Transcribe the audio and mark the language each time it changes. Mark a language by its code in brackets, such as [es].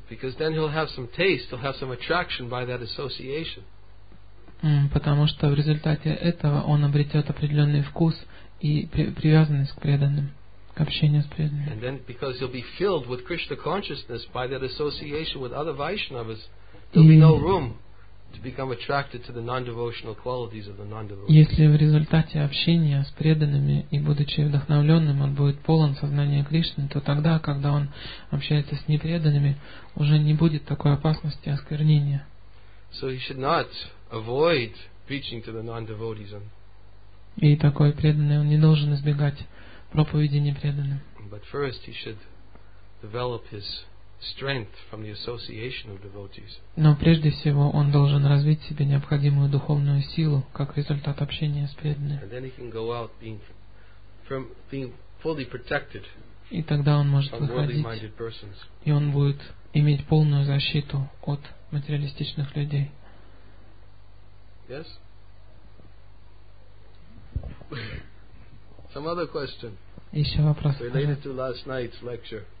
[en] Because then he'll have some taste, he'll have some attraction by that association. [ru] Потому что в результате этого он обретет определенный вкус и привязанность к преданным, к общению с преданными. [en] And then because he'll be filled with Krishna consciousness by that association with other Vaishnavas, there'll be no room to become attracted to the non-devotional qualities of the non-devotees. [ru] Если в результате общения с преданными и будучи вдохновленным, он будет полон сознания Кришны, то тогда, когда он общается с непреданными, уже не будет такой опасности осквернения. [en] So he should not avoid preaching to the non-devotees. [ru] И такой преданный, он не должен избегать проповеди непреданным. [en] But first he should develop his strength from the association of devotees. [ru] Но прежде всего он должен развить себе необходимую духовную силу как результат общения с преданными. [en] And then he can go out being fully protected. [ru] И тогда он может выходить, и он будет иметь полную защиту от материалистичных людей. [en] Yes? Some other question. [ru] Еще вопрос. [en] Related to last night's lecture.